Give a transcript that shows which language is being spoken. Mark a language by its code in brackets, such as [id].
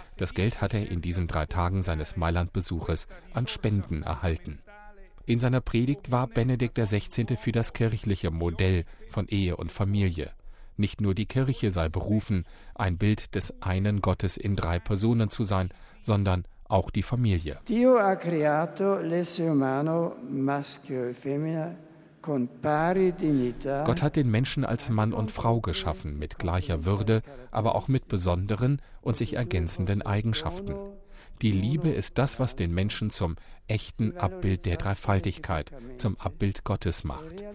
[de] Das Geld hat er in diesen 3 Tagen seines Mailand-Besuches an Spenden erhalten. In seiner Predigt war Benedikt XVI. Für das kirchliche Modell von Ehe und Familie. Nicht nur die Kirche sei berufen, ein Bild des einen Gottes in 3 Personen zu sein, sondern auch die Familie. [it] Dio ha creato l'essere umano maschio e femmina. [de] Gott hat den Menschen als Mann und Frau geschaffen, mit gleicher Würde, aber auch mit besonderen und sich ergänzenden Eigenschaften. Die Liebe ist das, was den Menschen zum echten Abbild der Dreifaltigkeit, zum Abbild Gottes macht.